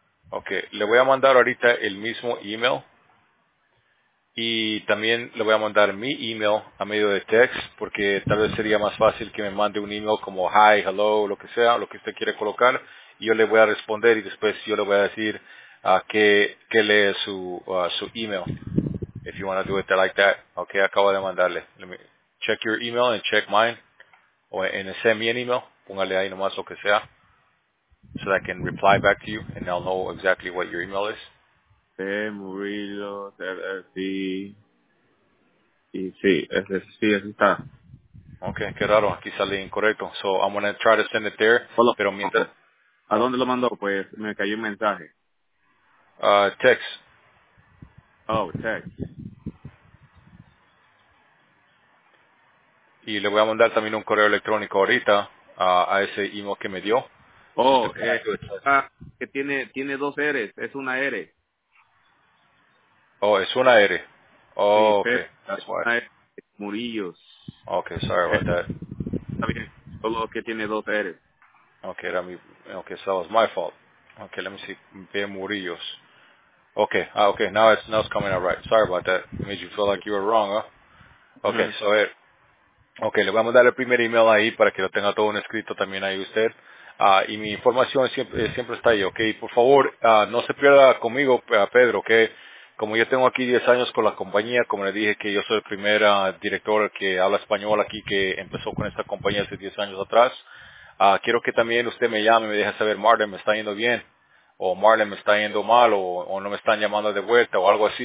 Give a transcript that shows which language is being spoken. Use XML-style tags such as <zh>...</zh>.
<es>Okay, le voy a mandar ahorita el mismo email y también le voy a mandar mi email a medio de text, porque tal vez sería más fácil que me mande un email como hi, hello, lo que sea, lo que usted quiere colocar, y yo le voy a responder y después yo le voy a decir que lee su su email.</es> <en>If you want to do it like that. Okay, acabo de mandarle. Let me check your email and check mine.</en> <es>O en ese mi email, póngale ahí nomás lo que sea.</es> <en>So that I can reply back to you and I'll know exactly what your email is.</en> <es>Murillo, LLC. Y sí, ese sí, ese está. Okay, qué raro, aquí sale incorrecto.</es> <en>So I'm going to try to send it there.</en> <es>Hello. Pero mientras... ¿A dónde lo mandó? Pues me cayó un mensaje.</es> <en>Text. Oh, text.</en> <es>Y le voy a mandar también un correo electrónico ahorita a ese email que me dio. Oh, que tiene dos R's, es una R. Oh, es una R. Oh, sí, okay. That's why. Una R. Murillos.</es> <en>Okay, sorry about that.</en> <es>Está bien, solo que tiene dos R's.</es> <en>Okay, era mi, okay, so that was my fault. Okay, let me see, bien Murillos. Okay, ah, okay, now it's coming out right. Sorry about that, it made you feel like you were wrong, huh? Okay, mm-hmm. So it.</en> <es>Okay, le voy a mandar el primer email ahí para que lo tenga todo un escrito también ahí usted. Y mi información siempre está ahí, ¿ok? Por favor, no se pierda conmigo, Pedro, ¿ok? Como yo tengo aquí 10 años con la compañía, como le dije que yo soy el primer director que habla español aquí, que empezó con esta compañía hace 10 años atrás, quiero que también usted me llame y me deje saber, Marlon, me está yendo bien, o Marlon, me está yendo mal, o no me están llamando de vuelta, o algo así.</es>